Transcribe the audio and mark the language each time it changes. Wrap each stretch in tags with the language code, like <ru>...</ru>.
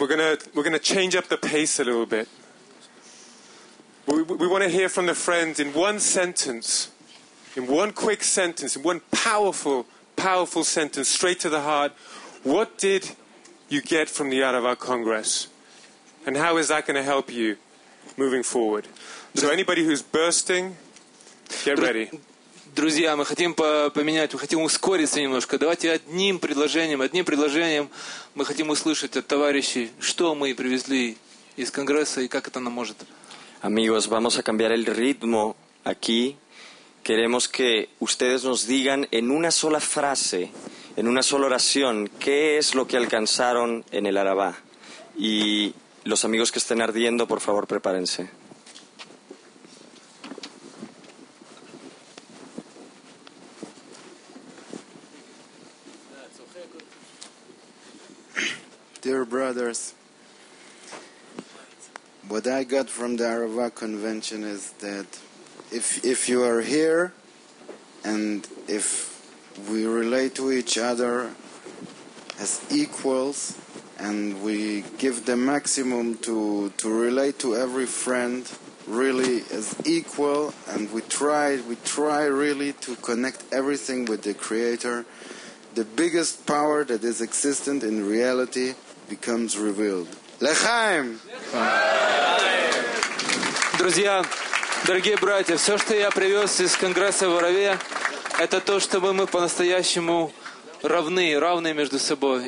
<en>We're gonna change up the pace a little bit. We want to hear from the friends in one sentence, in one quick sentence, in one powerful, powerful sentence, straight to the heart. What did you get from the Yarava Congress? And how is that going to help you moving forward? So anybody who's bursting, get ready.</en> <ru>Друзья, мы хотим поменять, мы хотим ускориться немножко. Давайте одним предложением мы хотим услышать от товарищей, что мы привезли из Конгресса и как это нам может.</ru> <es>Amigos, vamos a cambiar el ritmo aquí. Queremos que ustedes nos digan en una sola frase, en una sola oración, qué es lo que alcanzaron en el Arabá. Y los amigos que estén ardiendo, por favor, prepárense.</es> <en>Dear brothers, what I got from the Arava convention is that if you are here and if we relate to each other as equals and we give the maximum to relate to every friend really as equal and we try really to connect everything with the Creator, the biggest power that is existent in reality becomes revealed.</en> <he>Lechaim!</he> <ru>Друзья, дорогие братья, все, что я привез из Конгресса в Араве, это то, что мы по-настоящему равны между собой.</ru>